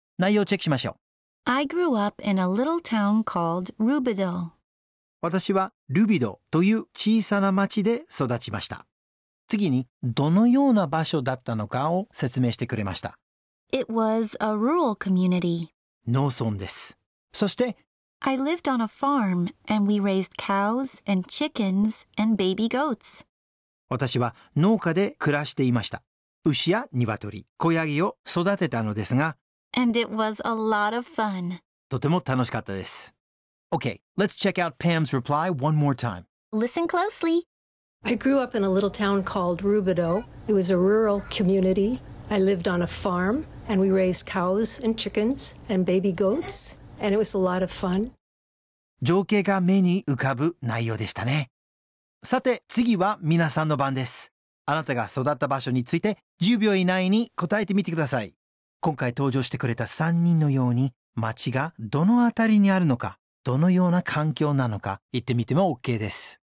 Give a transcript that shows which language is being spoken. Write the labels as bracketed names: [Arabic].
[Japanese] 内容をチェックしましょう。 [English] I grew up in a little town called Rubido. [Japanese] 私はルビドという小さな町で育ちました。次にどのような場所だったのかを説明してくれました。 [English] It was a rural community. [Japanese] 農村です。そして [English] I lived on a farm and we raised cows and chickens and baby goats. [Japanese] 私は農家で暮らしていました。牛や鶏、子ヤギを育てたのですが [English] And it was a lot of fun. [Japanese] とても楽しかったです。 [English] Okay, let's check out Pam's reply one more time. Listen closely. I grew up in a little town called Rubido. It was a rural community. I lived on a farm, and we raised cows and chickens and baby goats, and it was a lot of fun. [Japanese] 情景が目に浮かぶ内容でしたね。さて、次は皆さんの番です。あなたが育った場所について10秒以内に答えてみてください。今回登場してくれた3人のように、町がどのあたりにあるのか、どのような環境なのか、言ってみても OK です。